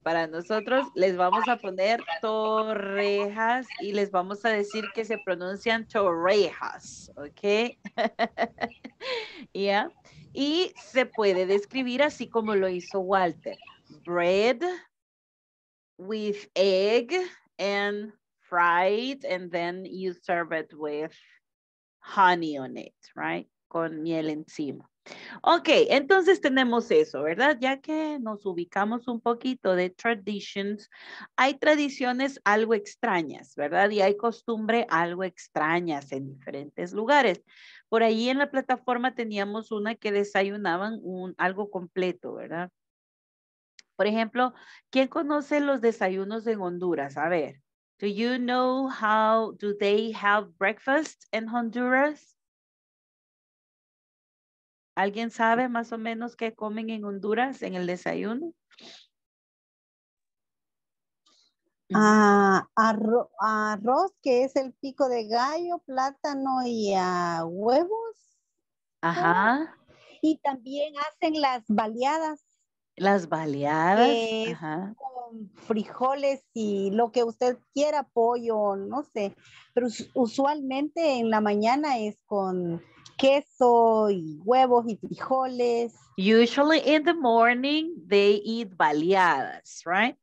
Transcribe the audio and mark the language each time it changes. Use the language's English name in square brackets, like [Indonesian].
[Spanish] Para nosotros les vamos a poner torrejas y les vamos a decir que se pronuncian torrejas. ¿Ok? Ya. Yeah. Y se puede describir así como lo hizo Walter. [English] Bread with egg and... fried, and then you serve it with honey on it, right? Con miel encima. [Spanish] Ok, entonces tenemos eso, ¿verdad? Ya que nos ubicamos un poquito de traditions, hay tradiciones algo extrañas, ¿verdad? Y hay costumbre algo extrañas en diferentes lugares. Por ahí en la plataforma teníamos una que desayunaban algo completo, ¿verdad? Por ejemplo, ¿quién conoce los desayunos en Honduras? [English] A ver, do you know how do they have breakfast in Honduras? [Spanish] ¿Alguien sabe más o menos qué comen en Honduras en el desayuno? Arroz, que es el pico de gallo, plátano y huevos. Ajá. Y también hacen las baleadas. Las baleadas. Ajá. Con frijoles y lo que usted quiera, pollo, no sé. Pero usualmente en la mañana es con queso y huevos y frijoles. [English] Usually in the morning they eat baleadas, right?